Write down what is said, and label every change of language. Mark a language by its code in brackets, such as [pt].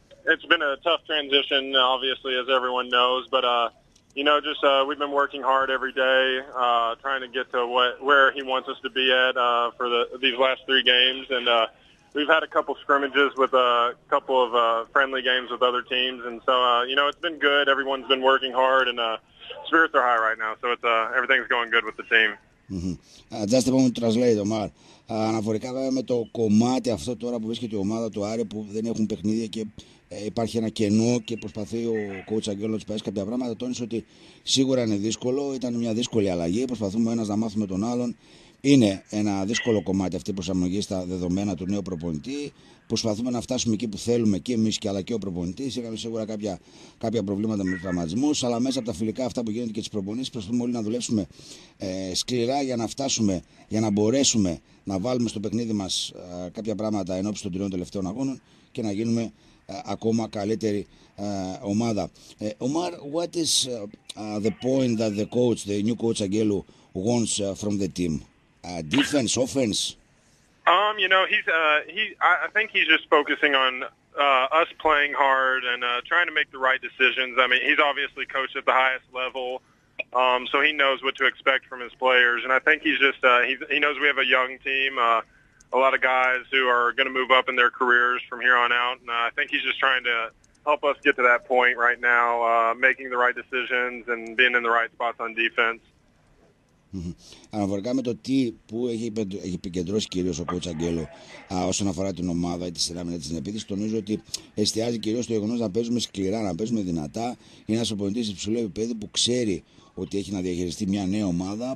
[en] It's been a tough transition, obviously, as everyone knows. But, you know, just we've been working hard every day trying to get to where he wants us to be at for these last three games. And we've had a couple scrimmages with a couple of friendly games with other teams. And so, you know, it's been good. Everyone's been working hard, and spirits are high right now. So it's everything's going good with the team. Mm-hmm. Just a moment to translate, Omar. [el] Αναφορικά βέβαια με το κομμάτι αυτό τώρα που βρίσκεται η ομάδα του Άρη που δεν έχουν παιχνίδια και υπάρχει ένα κενό και προσπαθεί ο coach Αγγέλος να πέσει κάποια πράγματα, τόνισε ότι σίγουρα είναι δύσκολο, ήταν μια δύσκολη αλλαγή, προσπαθούμε ο ένας να μάθουμε τον άλλον. Είναι ένα δύσκολο κομμάτι αυτή η προσαρμογή στα δεδομένα του νέου προπονητή. Προσπαθούμε να φτάσουμε εκεί που θέλουμε και εμείς και αλλά και ο προπονητής. Είχαμε σίγουρα κάποια προβλήματα με τραυματισμούς, αλλά μέσα από τα φιλικά αυτά που γίνονται και τις προπονήσεις, προσπαθούμε όλοι να δουλέψουμε σκληρά για να φτάσουμε, για να μπορέσουμε να βάλουμε στο παιχνίδι μας κάποια πράγματα εν ώψη των τριών τελευταίων αγώνων και να γίνουμε ακόμα καλύτερη ομάδα. [en] Omar, what is the point that the coach, the new coach Αγγέλου, wants from the team? Defense, offense? You know, I think he's just focusing on us playing hard and trying to make the right decisions. I mean, he's obviously coached at the highest level, so he knows what to expect from his players. And I think he's just, he knows we have a young team, a lot of guys who are going to move up in their careers from here on out. And I think he's just trying to help us get to that point right now, making the right decisions and being in the right spots on defense. [el] Αναφορικά με το τι που έχει επικεντρώσει κυρίως ο κότς Αγγέλο όσον αφορά την ομάδα ή τη σειρά μετά την επίθεση, τονίζω ότι εστιάζει κυρίως στο γεγονός να παίζουμε σκληρά, να παίζουμε δυνατά. Είναι ένας προπονητής σε υψηλό επίπεδο που ξέρει ότι έχει να διαχειριστεί μια νέα ομάδα.